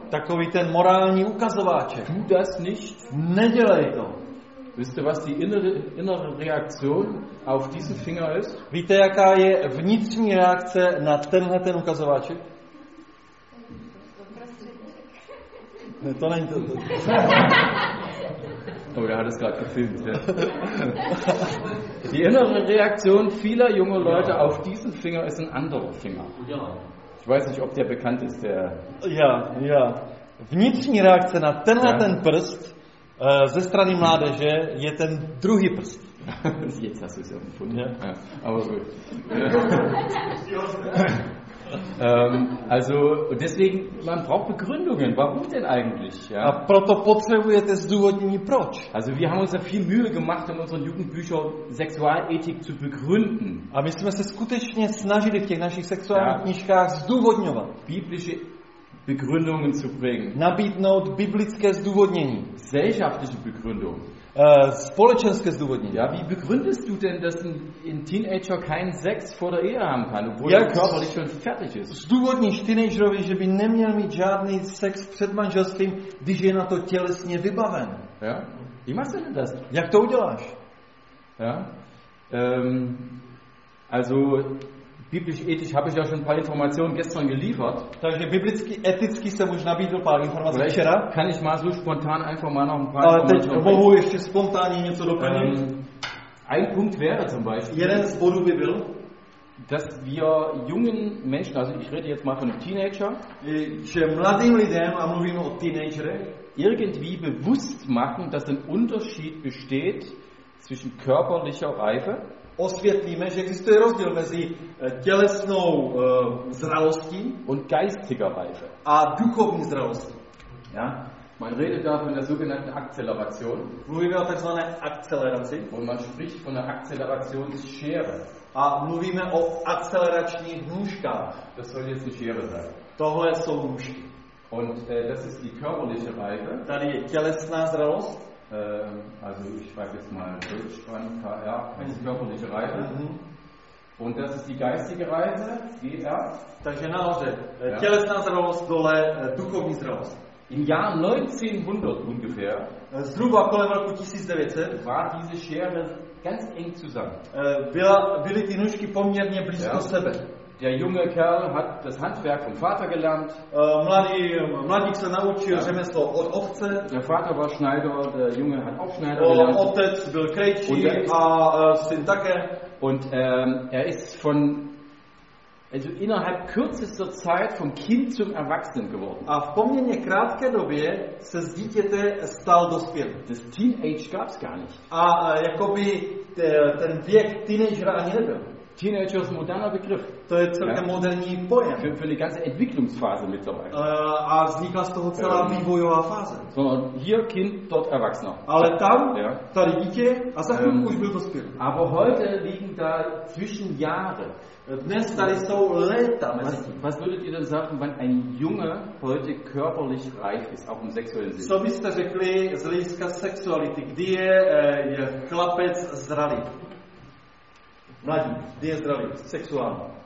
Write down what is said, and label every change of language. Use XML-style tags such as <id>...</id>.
<cs>takový ten morální ukazováček,</cs> <de>tu das nicht,</de> <cs>nedělej to.</cs> <de>Wisst ihr, was die innere Reaktion auf diesen Finger ist?</de> <cs>Víte, jaká je vnitřní reakce na tenhle ten ukazováček? To není to.</cs> <de>Oh, der hat es gerade gefilmt. Ja. Die innere Reaktion vieler junger Leute auf diesen Finger ist ein anderer Finger. Ja. Ich weiß nicht, ob der bekannt ist, der. Ja, ja.</de> <cs>Vnitřní reakce na tenhle ten prst ze strany mládeže je ten druhý prst.</cs> <de>Jetzt hast du es gefunden. Ja. Aber gut. Also deswegen man braucht Begründungen, warum denn eigentlich, ja?</de> <cs>A proto potřebujete zdůvodnění proč?</cs> <de>Also wir haben uns da viel Mühe gemacht, in unseren Jugendbüchern Sexualethik zu begründen.</de> <cs>A my jsme se skutečně snažili v těch našich sexuálních knížkách zdůvodňovat.</cs> <de>Biblische Begründungen zu bringen.</de> <cs>Nabídnout biblické zdůvodnění.</cs> <de>Gesellschaftliche Begründung.</de> <cs>Společenské zdůvodnění.</cs> <de>Ja, wie begründest du denn, dass ein Teenager keinen Sex vor der Ehe haben kann, obwohl er körperlich schon fertig ist?</de> <cs>Zdůvodníš teenagerovi, že by neměl mít žádný sex před manželstvím, když je na to tělesně vybaven.</cs> <de>Ja? Wie machst du denn das?</de> <cs>Jak to uděláš?</cs> <de>Ja? Also biblisch ethisch habe ich ja schon ein paar Informationen gestern geliefert.</de> <cs>Takže biblicky eticky jsem už nabídl pár informací včera.</cs> <de>Kann ich mal so spontan einfach mal noch ein paar Informationen.</de> <cs>Aber teď ještě spontánně něco doplnit.</cs> <de>Ein Punkt wäre zum Beispiel.</de> <cs>Jeden z bodů by byl,</cs> <de>dass wir jungen Menschen, also ich rede jetzt mal von einem Teenager,</de> <cs>že mladým lidem, a mluvím o teenagerech,</cs> <de>irgendwie bewusst machen, dass ein Unterschied besteht zwischen körperlicher Reife.</de> <cs>Osvětlíme, že existuje rozdíl mezi tělesnou zralostí</cs> <de>und geistiger Reife.</de> <cs>A duchovní zralostí.</cs> <de>Ja? Man redet da von der sogenannten Akzeleration.</de> <cs>Mluvíme o takzvané akceleraci.</cs> <de>Und man spricht von der Akzelerationsschere.</de> <cs>A mluvíme o akceleračních nůžkách.</cs> <de>Das soll jetzt die Schere sein.</de> <cs>Tohle jsou nůžky.</cs> <de>Und das ist die körperliche Reife.</de> <cs>Tady je tělesná zralost.</cs> <de>Also ich schreibe jetzt mal Deutschland, KR, das ist körperliche Reife. Und das ist die geistige Reife, GR.</de> <cs>Takže nahoře, tělesná zralost, dole duchovní zralost.</cs> <de>Im Jahr 1900 ungefähr,</de> <cs>zhruba kolem roku 1900,</cs> <de>war diese Schere ganz eng zusammen.</de> <cs>Byly ty nůžky poměrně blízko sebe.</cs> <de>Der junge Kerl hat das Handwerk vom Vater gelernt.</de> <cs>Mladík se naučil řemeslo od otce.</cs> <de>Der Vater war Schneider, der Junge hat auch Schneider gelernt.</de> <cs>Otec byl krejčí a syn také.</cs> <de>Und er ist von, also innerhalb kürzester Zeit vom Kind zum Erwachsenen geworden.</de> <cs>A v poměrně krátké době se z dítěte stal dospělý.</cs> <de>Das Teenage gab's gar nicht.</de> <cs>A jakoby ten věk teenagera ani nebyl.</cs> <de>Teenager ist ein moderner Begriff.</de> <cs>To je celkem moderní pojem.</cs> <de>Für die ganze Entwicklungsphase mittlerweile.</de> <cs>A vznikla z toho celá vývojová fáze.</cs> <de>So, hier Kind, dort Erwachsener.</de> <cs>Ale tam, tady dítě, a za chvilku už byl dospělý.</cs> <de>Aber heute liegen da zwischen Jahre.</de> <cs>Dnes tady jsou léta.</cs> <de>Was würdet ihr denn sagen, wann ein Junge heute körperlich reif ist, auch im sexuellen Sinne?</de> <cs>Co byste řekli z hlediska sexuality, kdy je chlapec zralý? Mladí, kdy je zdravý, sexuální.</cs>